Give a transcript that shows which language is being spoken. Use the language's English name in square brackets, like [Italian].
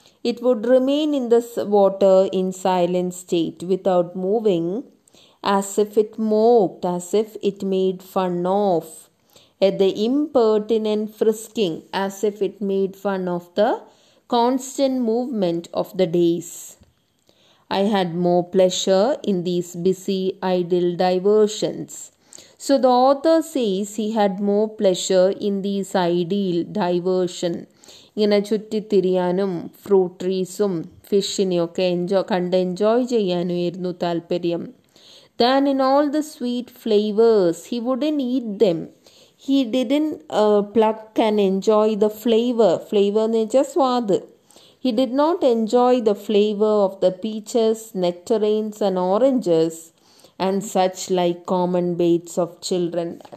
[English] It would remain in the water in silent state without moving, as if it moped, as if it made fun of, at the impertinent frisking, as if it made fun of the constant movement of the days. I had more pleasure in these busy, idle diversions. So the author says he had more pleasure in these ideal diversion. [Malayalam] ഇങ്ങനെ ചുറ്റി തിരിയാനും fruit ട്രീസും ഫിഷിനെയൊക്കെ enjoy ചെയ്യാനുമായിരുന്നു താല്പര്യം. [English] Than in all the sweet flavors, he wouldn't eat them. He didn't pluck and enjoy the flavor. Flavor [Malayalam] എന്ന് വെച്ചാൽ സ്വാദ്. [English] He did not enjoy the flavor of the peaches, nectarines and oranges and such like common baits of children.